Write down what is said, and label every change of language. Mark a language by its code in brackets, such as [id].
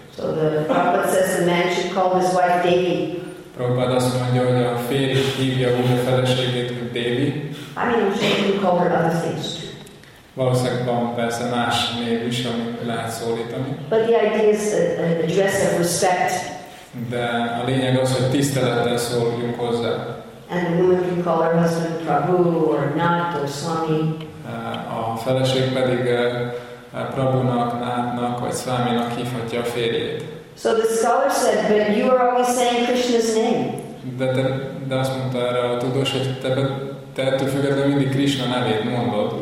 [en] So the Prabhupada says the man should call his wife Devi. [hu] Prabhupada azt mondja, hogy a férj hívja úgy a feleségét, hogy Devi. [en] I mean, she can call her other things too. [hu] Valószínűleg van persze más név is, amit lehet szólítani. [en] But the idea is an address of respect. [hu] De a lényeg az, hogy tisztelettel szóljunk hozzá. [en] And a woman can call her husband Prabhu or Nath or Swami. [hu] A feleség pedig Prabhunak, Nathnak vagy Swaminak hívhatja a férjét. [en] So the scholar said, but you are always saying Krishna's name. [hu] De azt mondta erre a tudós, hogy te ettől függetlenül mindig Krishna nevét mondod.